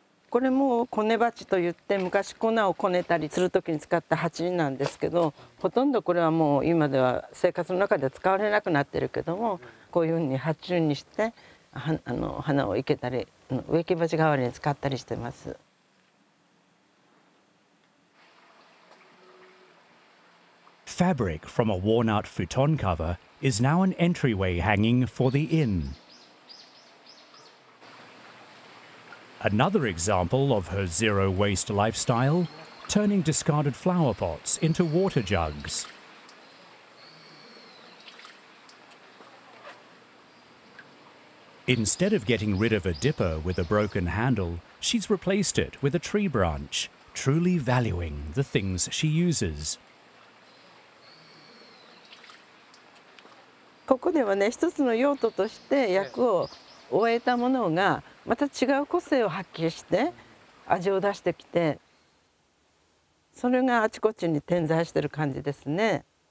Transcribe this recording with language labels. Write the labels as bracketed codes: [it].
[ja] これもこね鉢といって、昔粉をこねたりする時に使った鉢なんですけど、ほとんどこれはもう今では生活の中では使われなくなってるけども、こういうふうに鉢にして花を生けたり、植木鉢代わりに使ったりしてます。 [en] Fabric from a worn-out futon cover is now an entryway hanging for the inn. Another example of her zero-waste lifestyle, turning discarded flower pots into water jugs. Instead of getting rid of a dipper with a broken handle, she's replaced it with a tree branch, truly valuing the things she uses. [ja] ここではね、一つの用途として役を終えたものがまた違う個性を発揮して味を出してきて、それがあちこちに点在してる感じですね。